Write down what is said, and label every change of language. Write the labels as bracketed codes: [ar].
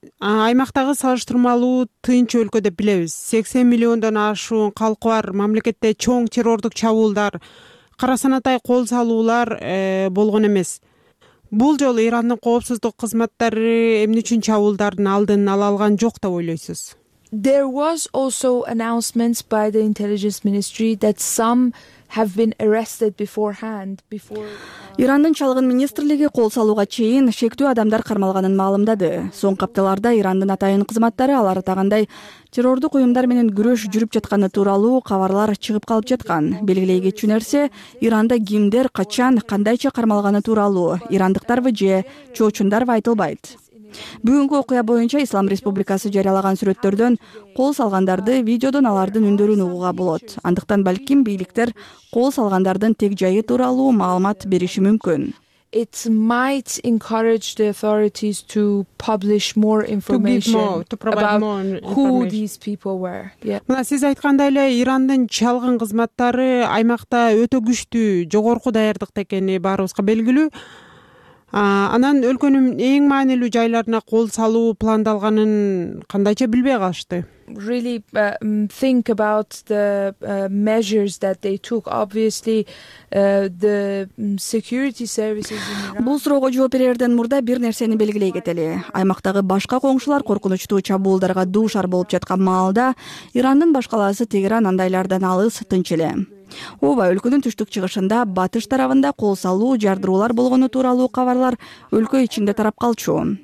[ky] Аймактагы салыштырмалуу тынч өлкө деп билебиз. 80 миллиондон ашуун калкы бар мамлекетте чоң террордук чабуулдар, кара санатай кол салуулар болгон эмес. Бул жолу Ирандын коопсуздук кызматтары эмне үчүн чабуулдардын алдын ала алган жок деп ойлойсуз? [en] There was also announcements by the intelligence ministry that some have been arrested beforehand [ky] Ирандын чалгын министрлиги кол салууга чейин шектүү адамдар кармалганын маалымдады. Соңку апталарда Ирандын атайын кызматтары алар атагандай террордук уюмдар менен күрөш жүрүп жатканы тууралуу кабарлар чыгып калып жаткан. Белгилей кетчү нерсе, Иранда кимдер качан кандайча кармалганы тууралуу ирандыктарбы же чоочундарбы айтылбайт. Бүгүнкү окуя боюнча Ислам Республикасы жарыялаган сүрөттөрдөн кол салгандарды видеодон алардын үндөрүн угууга болот. Андыктан балким бийликтер кол салгандардын тек жайы тууралуу маалымат бериши мүмкүн. [en] It might encourage the authorities to publish more information about who these people were. [ky] Мына сиз айткандай эле Ирандын чалгын кызматтары аймакта өтө күчтүү, жогорку даярдыкта экени баарыбызга белгилүү. Анан өлкөнүн эң маанилүү жайларына кол салуу пландалганын кандайча билбей калышты. [en] Really think about the measures that they took. Obviously the security services in Iran. [ky] Бул суроого жооп берерден мурда бир нерсени белгилей кетели. Аймактагы башка коңшулар коркунучтуу чабуулдарга дуушар болуп жаткан маалда Ирандын баш калаасы Тегеран андайлардан алыс, тынч эле. Ооба, өлкөнүн түштүк чыгышында батыш тарабында кол салуу жардыруулар болгону тууралуу кабарлар өлкө ичинде тарап калчу.